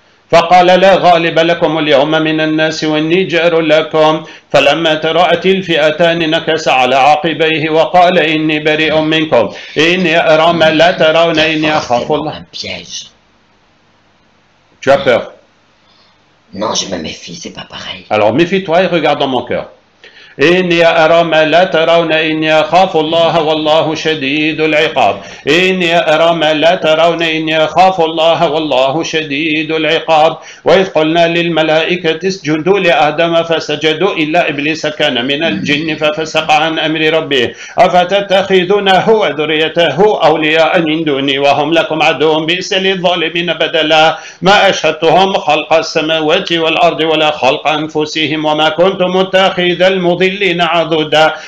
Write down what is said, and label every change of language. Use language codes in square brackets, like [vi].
[ar] فقال لا غالب لكم اليوم من الناس واني جار لكم فلما ترأت الفئتان نكس على عقبيه وقال اني بريء منكم اني ارى ما لا ترون اني اخاف الله. [fr] Tu as peur. Non, je me méfie, c'est pas pareil. Alors méfie-toi et regarde dans mon cœur. [ar] إني أرى ما لا ترون إني أخاف الله والله شديد العقاب إني أرى ما لا ترون إني أخاف الله والله شديد العقاب وإذ قلنا للملائكة اسجدوا لآدم فسجدوا إلا إبليس كان من الجن ففسق عن أمر ربه أفتتخذونه وذريته أولياء من دوني وهم لكم عدو بئس للظالمين بدلا ما أشهدتهم خلق السماوات والأرض ولا خلق أنفسهم وما كنت متخذ المضلين مضلين عضدا